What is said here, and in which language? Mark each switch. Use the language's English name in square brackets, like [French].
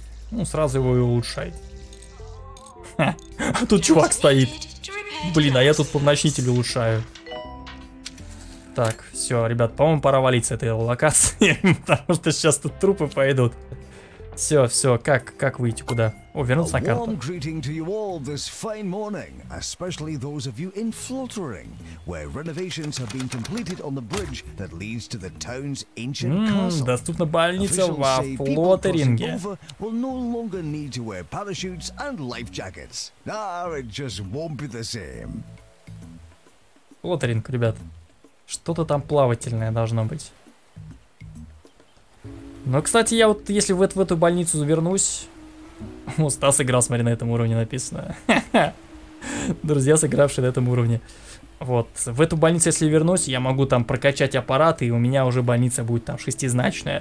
[Russian] Ну, сразу его и улучшай. Ха, тут чувак стоит. Блин, а я тут помрачнитель улучшаю. Так, все, ребят, по-моему, пора валить с этой локации, потому что сейчас тут трупы пойдут. Все, все, как выйти, куда? О, вернулся на карту. [English] Greeting to you all this fine morning, especially those of you in Fluttering, where renovations have been completed on the bridge that leads to the town's ancient castle. [Russian] Доступна больница во Флоттеринге. [English] Will no longer need to wear parachutes and life jackets. Nah, it just won't be the same. [Russian] Флоттеринг, ребят. Что-то там плавательное должно быть. Но, кстати, я вот, если в эту больницу вернусь... О, Стас играл, смотри, на этом уровне написано. Друзья, сыгравшие на этом уровне. Вот, в эту больницу, если вернусь, я могу там прокачать аппараты, и у меня уже больница будет там шестизначная.